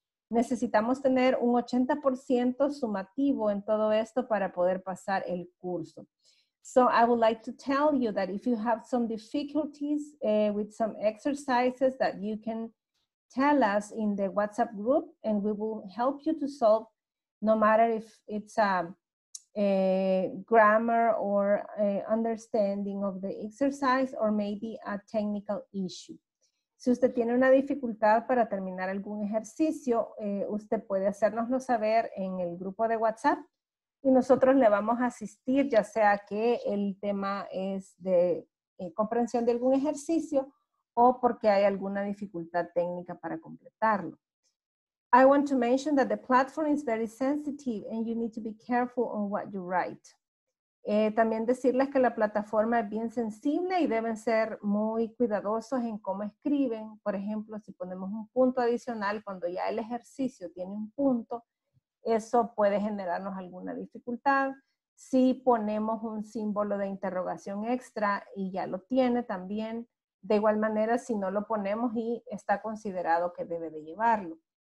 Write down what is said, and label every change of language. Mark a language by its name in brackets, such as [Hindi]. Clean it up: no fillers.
[Spanish] Necesitamos tener un 80% sumativo en todo esto para poder pasar el curso. [English] So I would like to tell you that if you have some difficulties with some exercises, that you can tell us in the WhatsApp group and we will help you to solve, no matter if it's a grammar or a understanding of the exercise or maybe a technical issue. [Spanish] Si usted tiene una dificultad para terminar algún ejercicio, usted puede hacérnoslo saber en el grupo de WhatsApp y nosotros le vamos a asistir, ya sea que el tema es de comprensión de algún ejercicio o porque hay alguna dificultad técnica para completarlo. [English] I want to mention that the platform is very sensitive and you need to be careful on what you write. [Spanish] También decirles que la plataforma es bien sensible y deben ser muy cuidadosos en cómo escriben. Por ejemplo, si ponemos un punto adicional cuando ya el ejercicio tiene un punto, eso puede generarnos alguna dificultad. Si ponemos un símbolo de interrogación extra y ya lo tiene también, de igual manera si no lo ponemos y está considerado que debe de llevarlo.